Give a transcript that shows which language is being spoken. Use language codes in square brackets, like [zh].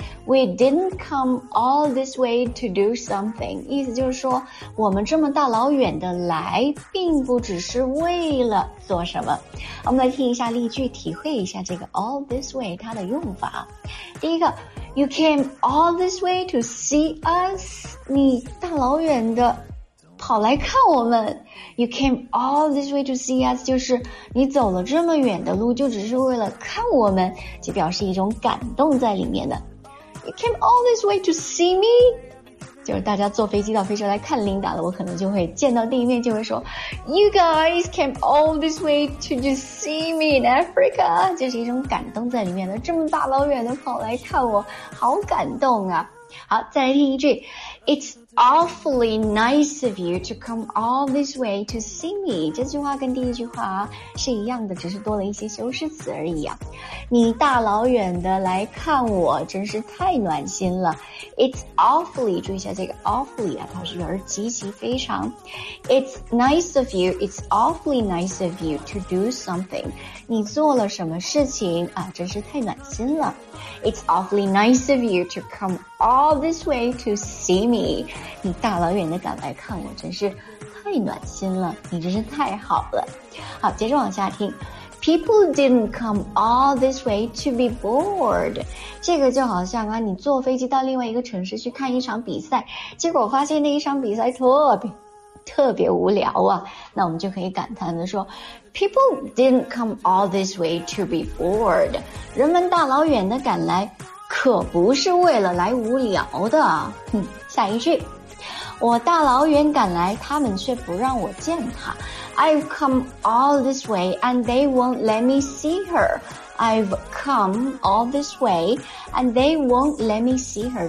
[en] We didn't come all this way to do something. [zh] 意思就是说，我们这么大老远的来，并不只是为了做什么。我们来听一下例句，体会一下这个 [en] all this way [zh] 它的用法。第一个， [en] You came all this way to see us. [zh] 你大老远的跑来看我们。 [en] You came all this way to see us, [zh] 就是你走了这么远的路就只是为了看我们，就表示一种感动在里面的。 [en] You came all this way to see me, [zh] 就是大家坐飞机到飞车来看琳达了，我可能就会见到第一面就会说 [en] You guys came all this way to just see me in Africa, [zh] 就是一种感动在里面的，这么大老远的跑来看我，好感动啊。好，再来听一句， [en] It's awfully nice of you to come all this way to see me. [zh] 这句话跟第一句话是一样的，只是多了一些修饰词而已啊。你大老远的来看我，真是太暖心了。 [en] It's awfully, [zh] 注意一下这个 [en] awfully [zh] 啊，它是有点极其非常。 [en] It's nice of you, it's awfully nice of you to do something. [zh] 你做了什么事情啊，真是太暖心了。 [en] It's awfully nice of you to come all this way to see me. [zh] 你大老远的赶来看我，真是太暖心了，你真是太好了。好，接着往下听。 [en] People didn't come all this way to be bored. [zh] 这个就好像啊，你坐飞机到另外一个城市去看一场比赛，结果发现那一场比赛特别无聊啊，那我们就可以感叹的说 [en] People didn't come all this way to be bored. [zh] 人们大老远的赶来可不是为了来无聊的。下一句，我大老远赶来，他们却不让我见他。 [en] I've come all this way and they won't let me see her. I've come all this way and they won't let me see her.